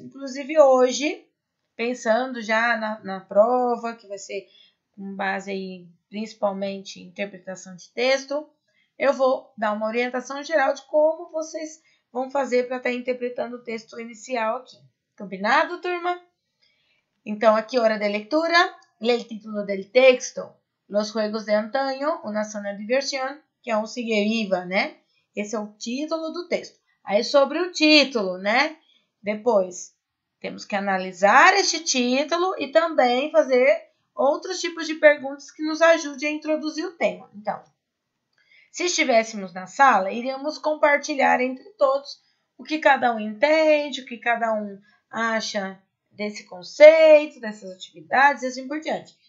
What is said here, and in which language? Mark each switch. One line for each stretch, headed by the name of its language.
Portuguese: Inclusive hoje, pensando já na prova que vai ser com base aí, principalmente em interpretação de texto, eu vou dar uma orientação geral de como vocês vão fazer para estar interpretando o texto inicial aqui. Combinado, turma? Então, aqui, hora de leitura. Lê o título del texto.
Spanish: Los juegos de antaño, una sana diversión, que é um sigue viva, né?
Portuguese: Esse é o título do texto. Aí, sobre o título, né? Depois, temos que analisar este título e também fazer outros tipos de perguntas que nos ajude a introduzir o tema. Então, se estivéssemos na sala, iríamos compartilhar entre todos o que cada um entende, o que cada um acha desse conceito, dessas atividades e assim por diante.